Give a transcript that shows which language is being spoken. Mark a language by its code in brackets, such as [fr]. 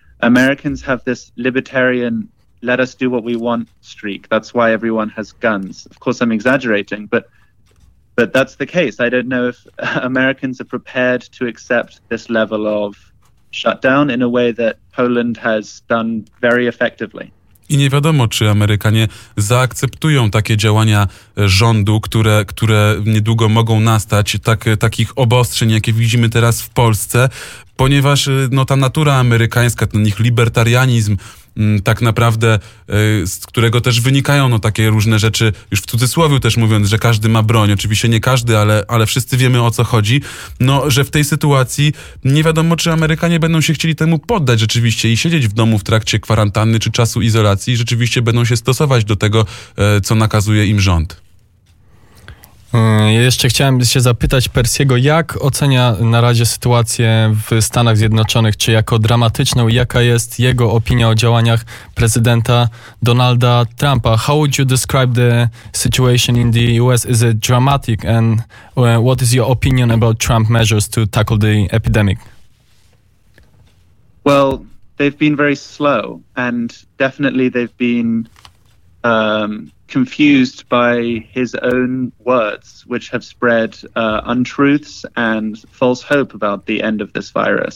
[en] Americans have this libertarian, let us do what we want streak. That's why everyone has guns. Of course, I'm exaggerating, but that's the case. I don't know if Americans are prepared to accept this level of shutdown in a way that Poland has done very effectively. [pl] I nie wiadomo, czy Amerykanie zaakceptują takie działania rządu, które niedługo mogą nastać, takich obostrzeń, jakie widzimy teraz w Polsce, ponieważ no, ta natura amerykańska, ten ich libertarianizm, tak naprawdę, z którego też wynikają no, takie różne rzeczy, już w cudzysłowie też mówiąc, że każdy ma broń, oczywiście nie każdy, ale wszyscy wiemy, o co chodzi, no, że w tej sytuacji nie wiadomo, czy Amerykanie będą się chcieli temu poddać rzeczywiście i siedzieć w domu w trakcie kwarantanny czy czasu izolacji i rzeczywiście będą się stosować do tego, co nakazuje im rząd. Jeszcze chciałem się zapytać Persiego, jak ocenia na razie sytuację w Stanach Zjednoczonych, czy jako dramatyczną, jaka jest jego opinia o działaniach prezydenta Donalda Trumpa? [en] How would you describe the situation in the US? Is it dramatic? And what is your opinion about Trump measures to tackle the epidemic? Well, they've been very slow and definitely they've been confused by his own words, which have spread untruths and false hope about the end of this virus.